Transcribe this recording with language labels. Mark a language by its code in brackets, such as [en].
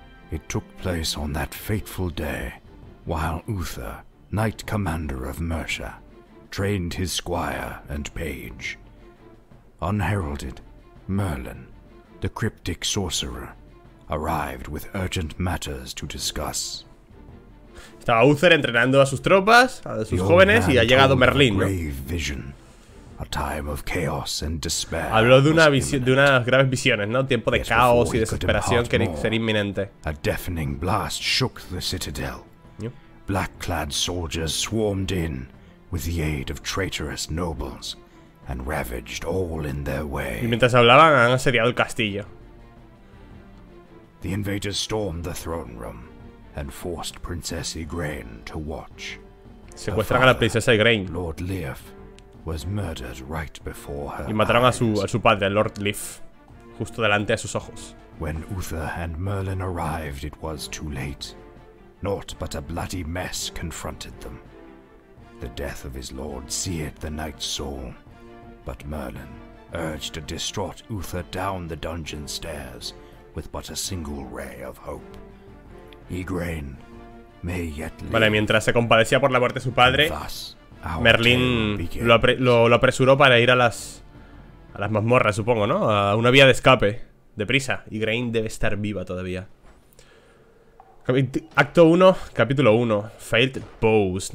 [en] It took place on that fateful day, while Uther, knight commander of Mercia, trained his squire and page. Unheralded, Merlin, the cryptic sorcerer, arrived with urgent matters to discuss. [es] Estaba Uther entrenando a sus tropas, a sus jóvenes, y ha llegado Merlín, ¿no? Habló de una visión, de unas graves visiones, ¿no? Tiempo de caos y desesperación que era inminente. [en] A deafening blast shook the citadel. Black-clad soldiers swarmed in with the aid of traitorous nobles and ravaged all in their way. [es] Y mientras hablaban, han asediado el castillo. [en] The invaders stormed the throne room and forced Princess Igraine to watch. [es] Secuestraron a la princesa Igraine. [en] Lord Leif was murdered right before her. [es] Y mataron a su padre, Lord Leif, justo delante de sus ojos. [en] When Uther and Merlin arrived, it was too late. Naught but a bloody mess confronted them. The death of his lord seared the knight's soul, but Merlin urged a distraught Uther down the dungeon stairs with but a single ray of hope. Igraine may yet live. [es] Vale, mientras se compadecía por la muerte de su padre, Merlín lo apresuró para ir a las mazmorras, supongo, ¿no? A una vía de escape. Deprisa. Igraine debe estar viva todavía. Acto 1, capítulo 1. Failed Pose.